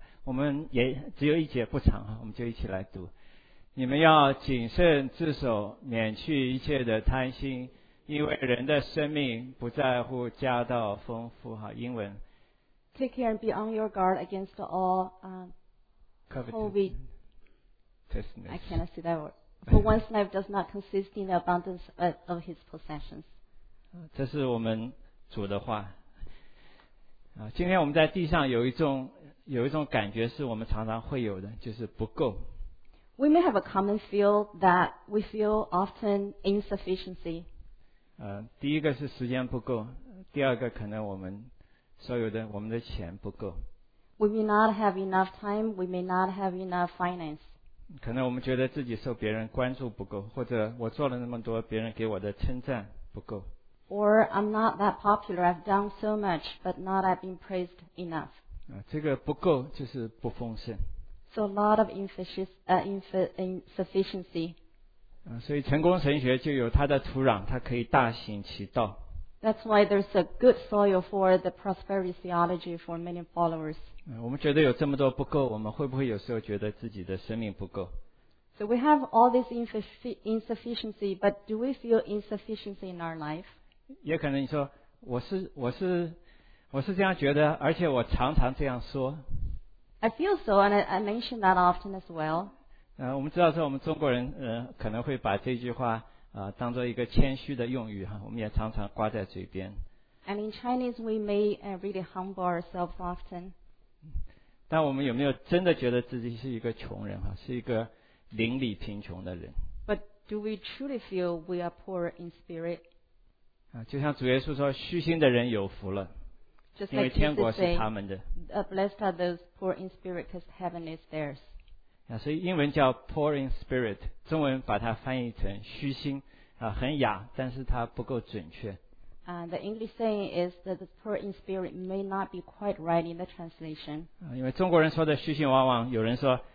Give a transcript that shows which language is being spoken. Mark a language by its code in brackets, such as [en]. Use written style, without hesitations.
[zh] 我们也只有一节不长，我们就一起来读。你们要谨慎自守，免去一切的贪心，因为人的生命不在乎家道丰富。好，英文。 [en] Take care and be on your guard against all covetousness. I cannot say that word. For one's life does not consist in the abundance of his possessions. [zh] 这是我们主的话。今天我们在地上有一种感觉是我们常常会有的，就是不够。 [en] We may have a common feel that we feel often insufficiency. [zh] 第一个是时间不够，第二个可能我们所有的我们的钱不够。 [en] We may not have enough time. We may not have enough finance. [zh] 可能我们觉得自己受别人关注不够，或者我做了那么多，别人给我的称赞不够。 [en] Or I'm not that popular. I've done so much, but not I've been praised enough. [zh] 这个不够就是不丰盛。 [en] So a lot of insufficiency. [zh] 所以成功神学就有它的土壤，它可以大行其道。 [en] That's why there's a good soil for the prosperity theology for many followers. [zh] 我们觉得有这么多不够，我们会不会有时候觉得自己的生命不够？ [en] So we have all this insufficiency, but do we feel insufficiency in our life? [zh] 也可能你说我是这样觉得，而且我常常这样说。 [en] I feel so, and I mention that often as well. [zh] 我们知道说我们中国人可能会把这句话当作一个谦虚的用语哈，我们也常常挂在嘴边。 [en] And in Chinese, we may really humble ourselves often. [zh] 但我们有没有真的觉得自己是一个穷人哈，是一个灵里贫穷的人 [en] ？But do we truly feel we are poor in spirit？ [zh] 就像主耶稣说，虚心的人有福了， [en] Just、 [zh] 因为天国是他们的。 [en] Say, blessed are those poor in spirit, because heaven is theirs. [zh] 所以英文叫 [en] poor in spirit， [zh] 中文把它翻译成虚心很哑，但是它不够准确。 [en] The English saying is that the poor in spirit may not be quite right in the translation。 [zh] 因为中国人说的虚心，往往有人说。